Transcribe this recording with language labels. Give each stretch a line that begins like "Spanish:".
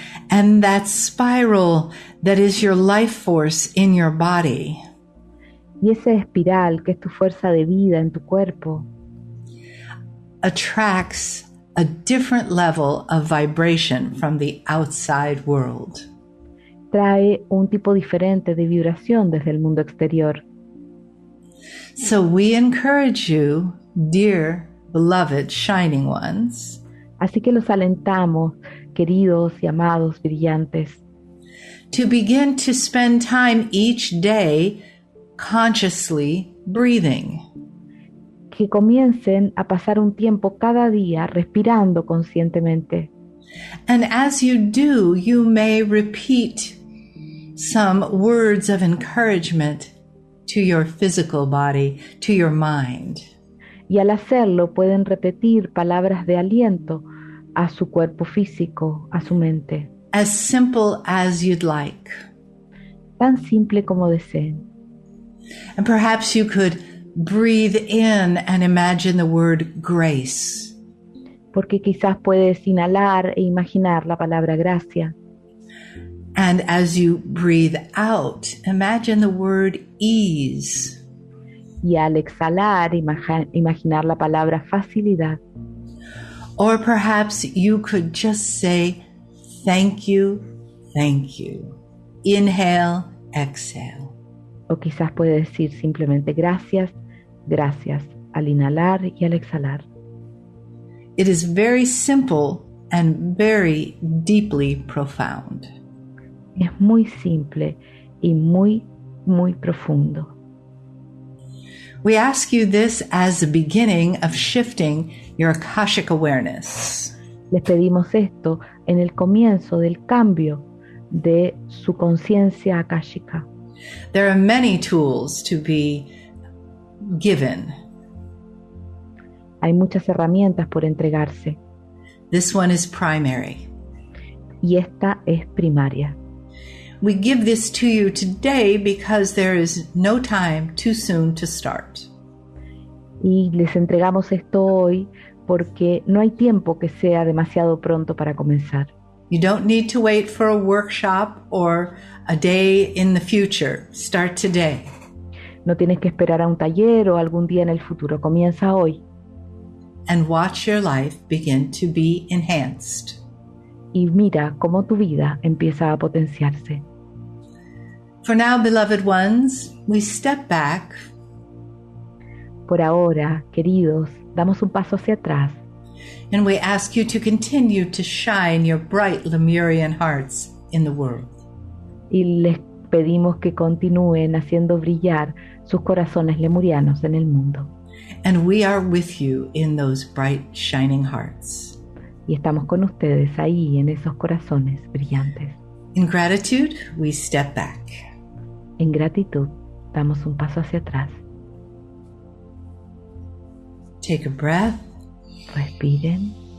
English: And that spiral that is your life force in your body,
Spanish: y esa espiral que es tu fuerza de vida en tu cuerpo,
English: attracts a different level of vibration from the outside world.
Spanish: Trae un tipo diferente de vibración desde el mundo exterior.
English: So we encourage you, dear beloved shining ones,
Spanish: así que los alentamos, queridos y amados brillantes,
English: to begin to spend time each day consciously breathing.
Spanish: Que comiencen a pasar un tiempo cada día respirando conscientemente.
English: And as you do, you may repeat some words of encouragement to your physical body, to your mind.
Spanish: Y al hacerlo, pueden repetir palabras de aliento a su cuerpo físico, a su mente.
English: As simple as you'd like.
Spanish: Tan simple como deseen.
English: And perhaps you could breathe in and imagine the word grace.
Spanish: Porque quizás puedes inhalar e imaginar la palabra gracia.
English: And as you breathe out, imagine the word ease.
Spanish: Y al exhalar, imaginar la palabra facilidad.
English: Or perhaps you could just say, thank you, thank you. Inhale, exhale.
Spanish: O quizás puedes decir simplemente gracias, gracias, al inhalar y al exhalar.
English: It is very simple and very deeply profound.
Spanish: Es muy simple y muy, muy profundo.
English: We ask you this as the beginning of shifting your Akashic awareness.
Spanish: Les pedimos esto en el comienzo del cambio de su conciencia akáshica.
English: There are many tools to be given.
Spanish: Hay muchas herramientas por entregarse.
English: This one is primary.
Spanish: Y esta es primaria.
English: We give this to you today because there is no time too soon to start.
Spanish: Y les entregamos esto hoy porque no hay tiempo que sea demasiado pronto para comenzar.
English: You don't need to wait for a workshop or a day in the future. Start today.
Spanish: No tienes que esperar a un taller o algún día en el futuro. Comienza hoy.
English: And watch your life begin to be enhanced.
Spanish: Y mira cómo tu vida empieza a potenciarse.
English: For now, beloved ones, we step back.
Spanish: Por ahora, queridos, damos un paso hacia atrás.
English: And we ask you to continue to shine your bright Lemurian hearts in the world.
Spanish: Y les pedimos que continúen haciendo brillar sus corazones lemurianos en el mundo.
English: And we are with you in those bright shining hearts.
Spanish: Y estamos con ustedes ahí en esos corazones brillantes.
English: In gratitude, we step back.
Spanish: En gratitud, damos un paso hacia atrás.
English: Take a breath.
Spanish: Respiren.